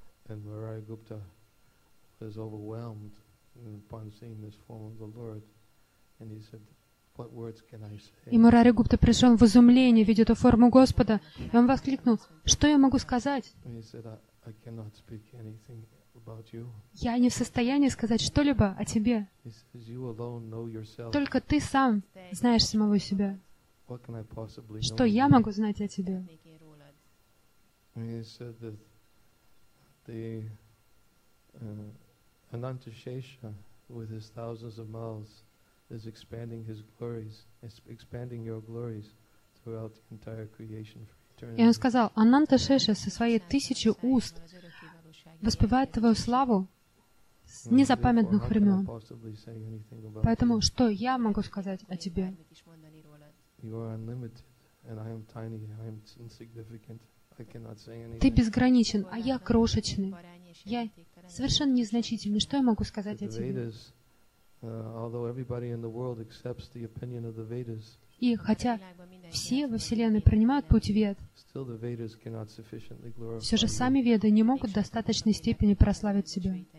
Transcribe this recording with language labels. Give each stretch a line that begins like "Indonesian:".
English: And Murari Gupta was overwhelmed upon seeing this form of the Lord, and he said, "What words can I say?"
Russian: И Мурари Гупта пришел в изумление, видя эту форму Господа, и он воскликнул: "Что я могу сказать?"
English: He said, "I cannot speak anything about you."
Russian: Я не в состоянии сказать что-либо о тебе.
English: He says, "You alone know yourself."
Russian: Только ты сам знаешь самого себя.
English: What can I possibly know?
Russian: Что я могу знать о тебе?
English: He said that the Anantashesha with his thousands of mouths is expanding his glories, expanding your glories throughout the entire creation for eternity.
Russian: И он сказал: Ананташеша со своей тысячей уст воспевает твою славу с незапамятных времен. Поэтому что я могу сказать о тебе?
English: You are unlimited, and I am tiny, I am insignificant.
Russian: Ты безграничен, а я крошечный. Я совершенно незначительный. Что я могу сказать о тебе? И хотя все во Вселенной принимают путь Вед, все же сами Веды не могут в достаточной степени прославить себя.